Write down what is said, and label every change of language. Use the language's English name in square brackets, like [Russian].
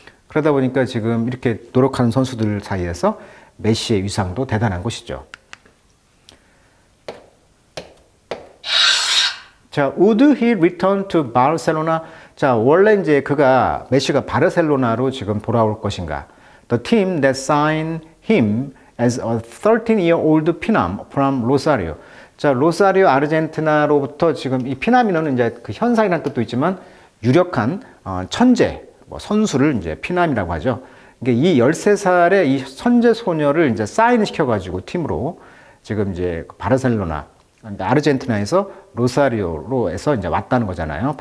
[Korean] 그러다 보니까 지금 이렇게 노력하는 선수들 사이에서 메시의 위상도 대단한 것이죠. [English] 자, would he return to Barcelona? [Korean] 자, 원래 이제 그가 메시가 바르셀로나로 지금 돌아올 것인가? [English] The team that signed him as a 13-year-old Pinam from Rosario. [Korean] 자, Rosario, 아르헨티나로부터 지금 이 피나미노는 이제 그 현상이라는 뜻도 있지만 유력한 천재, 뭐 선수를 이제 피남이라고 하죠. 이게 이 13살의 이 천재 소녀를 이제 사인 시켜가지고 팀으로 지금 이제 바르셀로나, 아르헨티나에서 로사리오로에서 이제 왔다는 거잖아요.